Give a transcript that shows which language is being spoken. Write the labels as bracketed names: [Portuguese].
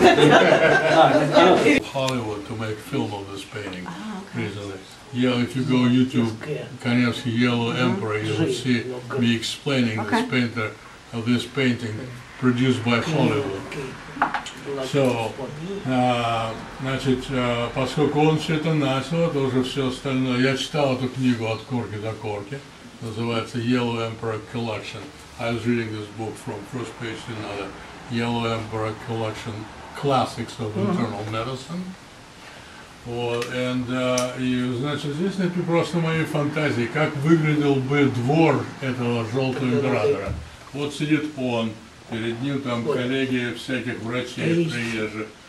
[English] Hollywood to make film of this painting recently. Yeah, if you go YouTube, Kanevsky Yellow Emperor, you will see me explaining this painter of this painting produced by Hollywood. [Russian] So, значит, поскольку он все это начал, то уже все остальное. Я читал эту книгу от корки до корки, называется Yellow Emperor Collection. [English] I was reading this book from first page to another. Yellow Emperor Collection, Classics of Internal Medicine. [Russian] Вот, and, значит, здесь написано просто мои фантазии, как выглядел бы двор этого желтого императора. Вот сидит он. Перед ним там коллеги всяких врачей приезжих.